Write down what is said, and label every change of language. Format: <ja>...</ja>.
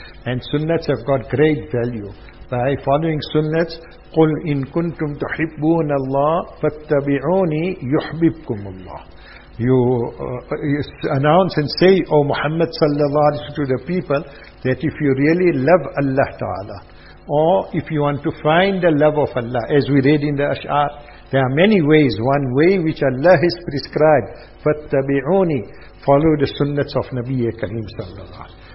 <en>And sunnahs have got great value. By following sunnahs,</en> <ar>قُلْ إِن كُنْتُمْ تُحِبُّونَ اللَّهِ فَاتَّبِعُونِي يُحْبِبْكُمُ اللَّهِ.</ar> <en>You announce and say, O Muhammad sallallahu alayhi wa sallam, to the people, that if you really love Allah Ta'ala, or if you want to find the love of Allah, as we read in the Ash'ar, there are many ways. One way which Allah has prescribed, فَاتَّبِعُونِي, follow the sunnats of Nabi Kareem sallallahu alayhi wa sallam.</en>